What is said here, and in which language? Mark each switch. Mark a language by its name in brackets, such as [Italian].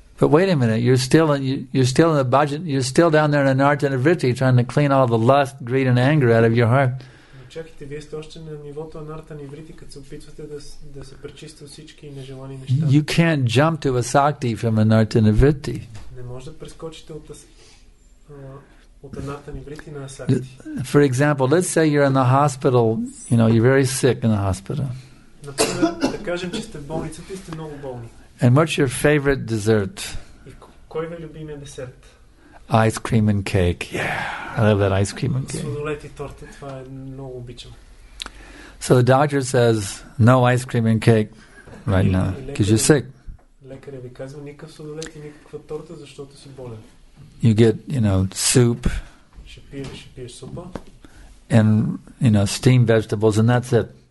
[English] But wait a minute, you're still in the bhajan, you're still down there in anartana vritti trying to clean all the lust, greed and anger out of your heart. [Bulgarian] Чакайте, вие сте още на нивото анартани врити, като се опитвате да се пречистите от всички нежелани неща. [English] You can't jump to asakti from anartana vritti. [Bulgarian] Не можете да прескочите от анартани врити на асакти. [English] For example, let's say you're in the hospital, you know, you're very sick in the hospital. [Bulgarian] Да кажем, че сте в болницата и сте много болни. [English] And what's your favorite dessert? [Bulgarian] Кой ви е любимия десерт? [English] Ice cream and cake. Yeah, I love that ice cream and cake. [Bulgarian] Сладолед и торта, това е много обичам. [English] So the doctor says, no ice cream and cake right now, because you're sick. [Bulgarian] Лекарят ви казва, никакъв сладолед и никаква торта, защото си болен. [English] You get, you know, soup. [Bulgarian] Ще пиеш супа. [English] And, you know, steamed vegetables, and that's it.